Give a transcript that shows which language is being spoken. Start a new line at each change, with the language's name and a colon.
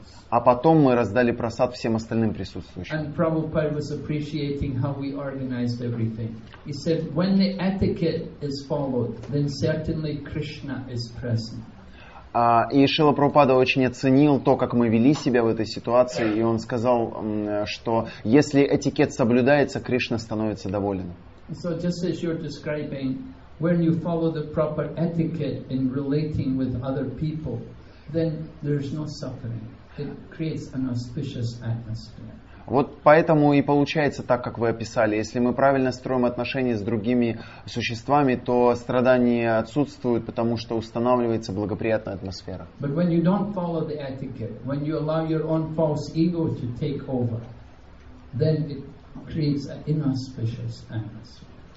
Russian: А потом мы раздали прасад всем остальным присутствующим.
English: And Prabhupada was appreciating how we organized everything. He said, when the etiquette is followed, then certainly Krishna is present.
Russian: И Шрила Прабхупада очень оценил то, как мы вели себя в этой ситуации, и он сказал, что если этикет соблюдается, Кришна становится доволен.
English: So just as you're describing, when you follow the proper etiquette in relating with other people, then there's no suffering. It creates an auspicious atmosphere.
Russian: Вот поэтому и получается так, как вы описали. Если мы правильно строим отношения с другими существами, то страдания отсутствуют, потому что устанавливается благоприятная атмосфера.
English: But when you don't follow the etiquette, when you allow your own false ego to take over, then it creates an inauspicious atmosphere.